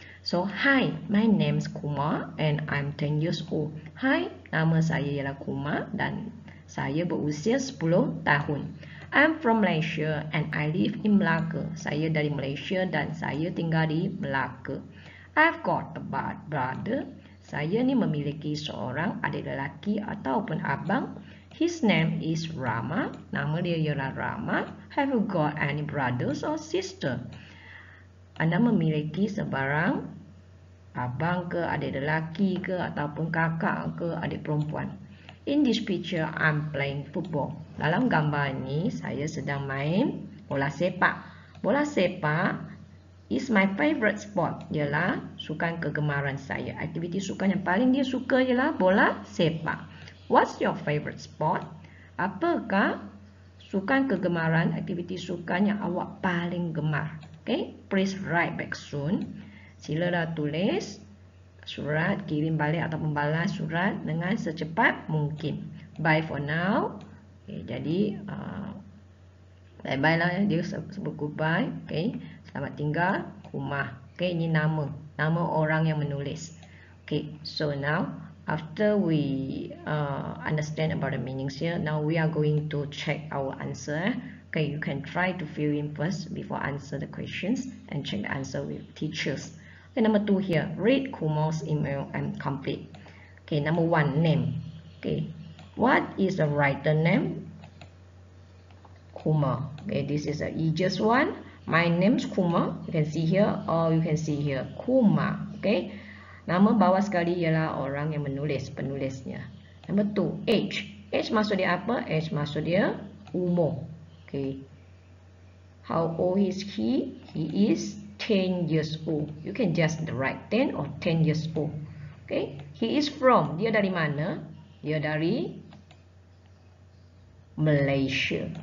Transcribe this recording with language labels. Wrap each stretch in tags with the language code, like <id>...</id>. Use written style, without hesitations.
<en>So, hi, my name's Kumar and I'm 10 years old.</en> <ms>Hi, nama saya ialah Kumar dan saya berusia 10 tahun.</ms> <en>I'm from Malaysia and I live in Melaka.</en> <ms>Saya dari Malaysia dan saya tinggal di Melaka.</ms> <en>I've got a brother.</en> <ms>Saya ni memiliki seorang adik lelaki ataupun abang.</ms> <en>His name is Rama.</en> <ms>Nama dia ialah Rama.</ms> <en>Have you got any brothers or sister?</en> <ms>Anda memiliki sebarang abang ke, adik lelaki ke, ataupun kakak ke, adik perempuan?</ms> <en>In this picture, I'm playing football.</en> <ms>Dalam gambar ini, saya sedang main bola sepak.</ms> <en>Bola sepak is my favorite sport.</en> <ms>Ialah sukan kegemaran saya. Aktiviti sukan yang paling dia suka ialah bola sepak.</ms> <en>What's your favorite sport?</en> <ms>Apakah sukan kegemaran, aktiviti sukan yang awak paling gemar?</ms> <en>Okay, please write back soon.</en> <ms>Silalah tulis surat, kirim balik atau membalas surat dengan secepat mungkin.</ms> <en>Bye for now. Okay,</en> <ms>jadi, bye-bye lah. Dia sebut goodbye. Okay, selamat tinggal. Kumar. Okay, ini nama. Nama orang yang menulis.</ms> <en>Okay, so now, after we understand about the meanings here, now we are going to check our answer. Okay, you can try to fill in first before answer the questions and check the answer with teachers. Okay, number two here, read Kumar's email and complete. Okay, number one, name. Okay, what is the writer name? Kumar. Okay, this is the easiest one. My name's Kumar. You can see here, or you can see here, Kumar.</en> <ms>Okay. Nama bawah sekali ialah orang yang menulis, penulisnya.</ms> <en>Number two, age.</en> <ms>Age maksud dia apa? Age maksud dia umur. Okay.</ms> <en>How old is he? He is 10 years old. You can just write 10 or 10 years old. Okay. He is from.</en> <ms>Dia dari mana? Dia dari Malaysia.</ms>